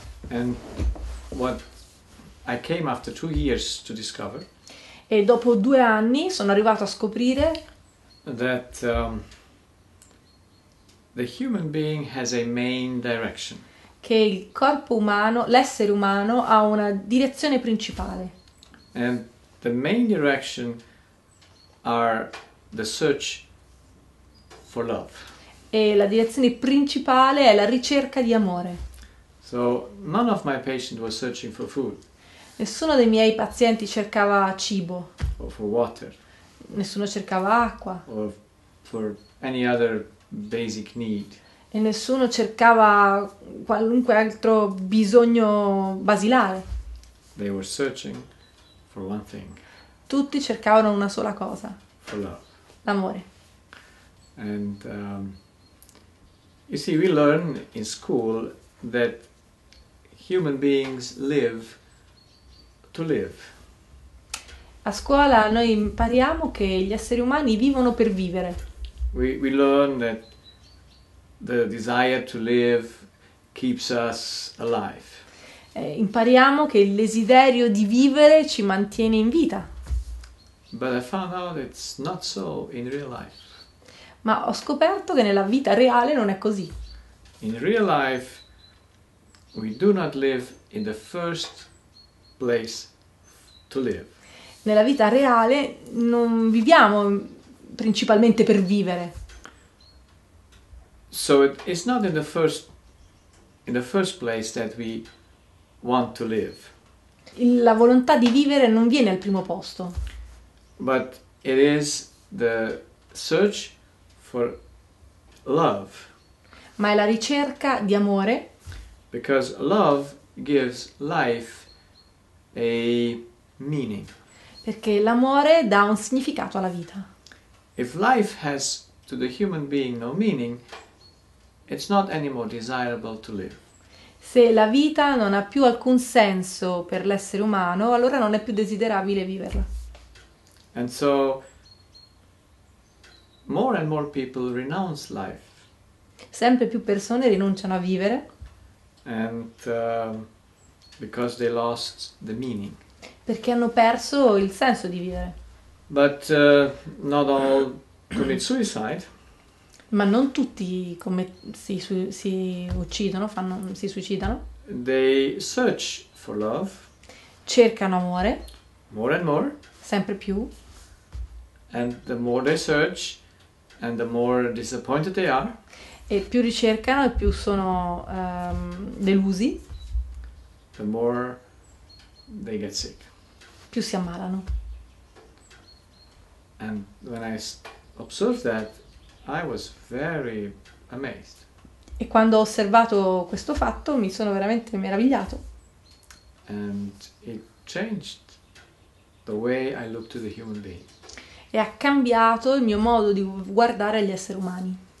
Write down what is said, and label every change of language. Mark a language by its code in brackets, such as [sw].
[en] And what I came after 2 years to discover. [it] E dopo 2 anni sono arrivato a scoprire [en] that the human being has a main direction. [it] Che il corpo umano, l'essere umano, ha una direzione principale. [en] And the main direction are the search for love. [it] E la direzione principale è la ricerca di amore. [en] So none of my patients was searching for food. [it] Nessuno dei miei pazienti cercava cibo. [en] Or for water. [it] Nessuno cercava acqua. [en] Or for any other basic need. [it] E nessuno cercava qualunque altro bisogno basilare. [en] They were searching for one thing. [it] Tutti cercavano una sola cosa. [en] For love. [it] L'amore. [en] And you see, we learn in school that human beings live to live. [it] A scuola noi impariamo che gli esseri umani vivono per vivere. [en] We learn that the desire to live keeps us alive. [it] Impariamo che il desiderio di vivere ci mantiene in vita. [en] But I found out it's not so in real life. [it] Ma ho scoperto che nella vita reale non è così. [en] In real life, we do not live in the first place to live. [it] Nella vita reale non viviamo principalmente per vivere. [en] So it's not in the first place that we want to live. [it] La volontà di vivere non viene al primo posto. [en] But it is the search for love. [it] Ma è la ricerca di amore. [en] Because love gives life a meaning. [it] Perché l'amore dà un significato alla vita. [en] If life has to the human being no meaning, it's not any more desirable to live. [it] Se la vita non ha più alcun senso per l'essere umano, allora non è più desiderabile viverla. [en] And so more and more people renounce life. [it] Sempre più persone rinunciano a vivere [en] And because they lost the meaning. [it] perché hanno perso il senso di vivere. [en] But not all commit suicide. [it] Ma non tutti come si uccidono, si suicidano. [en] They search for love [it] Cercano [en] more and more. [it] amore, sempre più. [en] And the more they search, and the more disappointed they are. [it] E più ricercano e più sono delusi, più [en] The more they get sick. [it] si ammalano. [en] And when I observed that, I was very amazed. [it] E quando ho osservato questo fatto, mi sono veramente meravigliato. [en] And it changed the way I look to the human being. [it] E ha cambiato il mio modo di guardare gli esseri umani.